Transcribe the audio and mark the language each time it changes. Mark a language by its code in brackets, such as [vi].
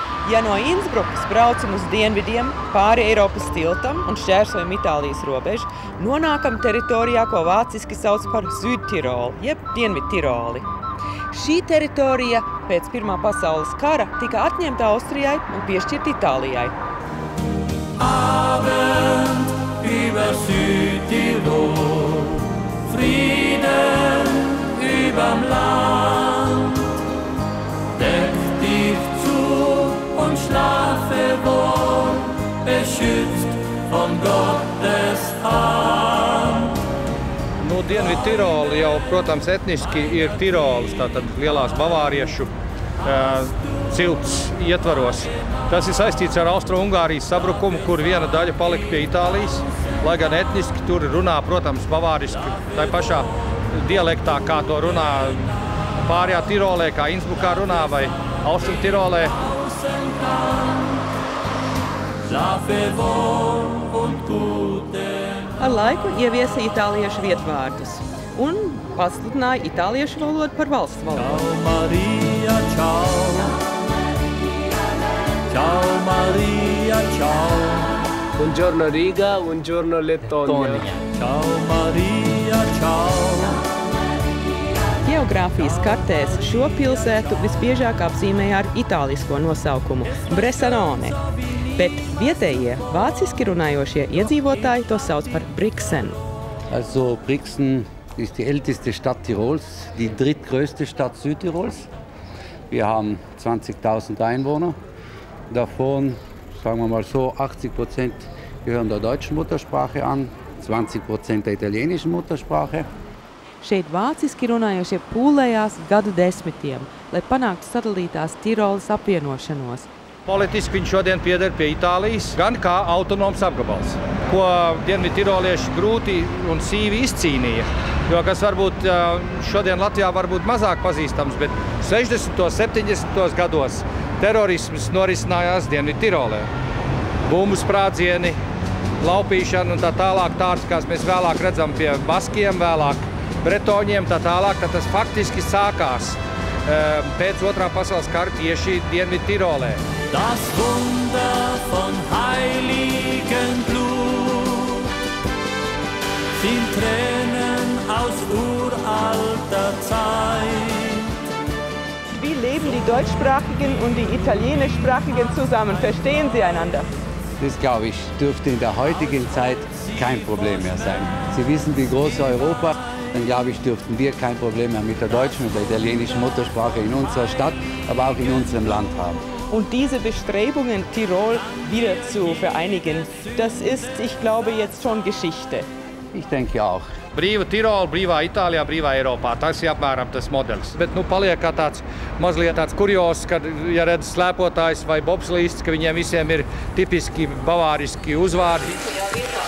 [lv] Ja no Innsbrukas braucam uz dienvidiem pāri Eiropas tiltam un šķērsojam Itālijas robežu, nonākam teritorijā, ko vāciski sauc par Südtirolu, jeb Dienvidtiroli. Šī teritorija pēc Pirmā pasaules kara tika atņemta Austrijai un piešķirta Itālijai. [de] Abend über Südtirol, Frieden überm Land, deck dich zu und schlafe wohl, beschützt von Gottes Hand. [lv] Nu, Dienvidtirola jau, protams, etniski ir Tirolas, tātad lielās bavāriešu cilts ietvaros. Tas ir saistīts ar Austro-Ungārijas sabrukumu, kur viena daļa palika pie Itālijas, lai gan etniski tur runā, protams, bavāriski, tai pašā dialektā, kā to runā pārējā Tirolē, kā Innsbrukā runā vai Austro-Tirolē. Ar laiku ieviesa itāliešu vietvārdus un pasludināja itāliešu valodu par valsts valodu. [it] Ciao Maria, ciao. Buongiorno Riga, buongiorno Lettonia. Ciao Maria, ciao. [lv] Geogrāfijas kartēs šo pilsētu visbiežāk apzīmēja ar itālisko nosaukumu – Bressanone. Bet vietējie, vāciski runājošie iedzīvotāji to sauc par Brixen. [de] Also Brixen ist die älteste Stadt Tirols, die drittgrößte Stadt Südtirols. Wir haben 20.000 Einwohner. Davon, sagen wir mal so, 80% gehören der deutschen Muttersprache an, 20% der italienischen Muttersprache. [lv] Šeit vāciski runājošie pūlējās gadu desmitiem, lai panāktu sadalītās Tirolas apvienošanos. Politiski viņš šodien pieder pie Itālijas, gan kā autonoms apgabals, ko dienvidtirolieši grūti un sīvi izcīnīja. Jo, kas varbūt šodien Latvijā varbūt mazāk pazīstams, bet 60. 70. Gados terorisms norisinājās Dienvidtirolē. Bumbu sprādzieni, laupīšana un tā tālāk tāds, kā mēs vēlāk redzam pie Baskiem, vēlāk Bretoņiem, tā tālāk, tad tas faktiski sākās pēc otrā pasaules kara tieši Dienvidtirolē. [de] Das Wunder von heiligen Blut sind Tränen aus uralter Zeit. Wie leben die Deutschsprachigen und die Italienischsprachigen zusammen? Verstehen sie einander? Das, glaube ich, dürfte in der heutigen Zeit kein Problem mehr sein. Sie wissen, wie groß Europa, dann, glaube ich, dürften wir kein Problem mehr mit der deutschen und der italienischen Muttersprache in unserer Stadt, aber auch in unserem Land haben. Und diese Bestrebungen, Tirol wieder zu vereinigen, das ist, ich glaube, jetzt schon Geschichte. Ich denke auch. [lv] Brīva Tirol, brīvā Itālijā, brīvā Eiropā. Tas ir apmēram tas modelis. Bet nu paliek kā tāds mazliet tāds kurioss, kad ja redz slēpotājs vai bobslīsts, ka viņiem visiem ir tipiski bavāriski uzvārdi.